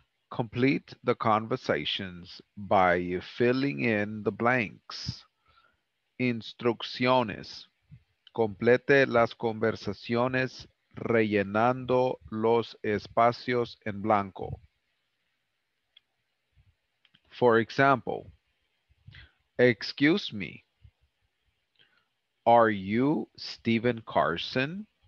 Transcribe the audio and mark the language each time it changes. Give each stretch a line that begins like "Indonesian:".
English: Complete the conversations by filling in the blanks.
Spanish: Instrucciones. Complete las conversaciones rellenando los espacios en blanco.
English: For example, excuse me, are you Steven Carson?